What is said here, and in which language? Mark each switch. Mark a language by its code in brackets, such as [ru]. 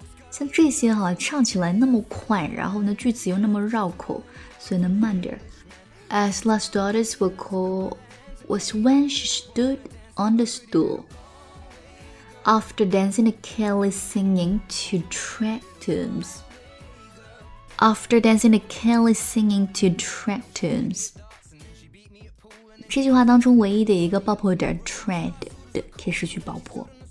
[zh] 像这些哈，唱起来那么快，然后呢句子又那么绕口，所以呢慢点。 [en] As last daughters were called was when she stood. On the stool. After dancing the Kelly singing to track tunes. After dancing the Kelly singing to track tunes. [zh] 这句话当中唯一的一个爆破点 track 的可以失去爆破。